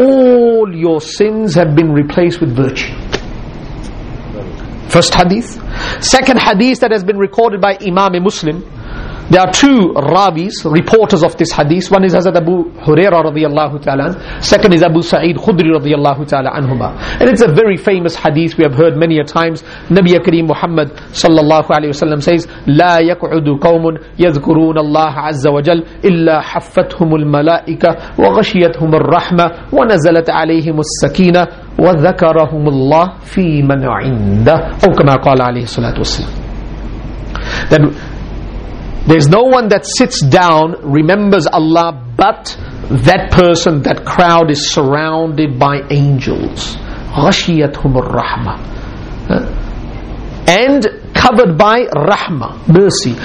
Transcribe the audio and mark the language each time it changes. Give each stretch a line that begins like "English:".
English: All your sins have been replaced with virtue. First hadith. Second hadith that has been recorded by Imam Muslim. There are two Rabis, reporters of this hadith. One is Hazrat Abu Huraira radiallahu ta'ala. Second is Abu Sa'id Khudri radiallahu ta'ala anhumah. And it's a very famous hadith we have heard many a times. Nabi Kareem Muhammad sallallahu alayhi wa sallam says,
Arabic: لَا يَقْعُدُ قَوْمٌ يَذْكُرُونَ اللَّهَ عَزَّ وَجَلْ إِلَّا حَفَّتْهُمُ الْمَلَائِكَةُ وَغَشِيَتْهُمُ الرَّحْمَةُ وَنَزَلَتْ عَلَيْهِمُ السَّكِينَةُ وَذَكَرَهُمُ اللَّهُ فِي مَنْ عِنْدَهُ. أو كما قال عليه الصلاة والسلام.
English: There's no one that sits down, remembers Allah, but that person, that crowd is surrounded by angels.
Arabic: غَشِيَتْهُمُ الرَّحْمَةِ.
English: And covered by rahmah, mercy.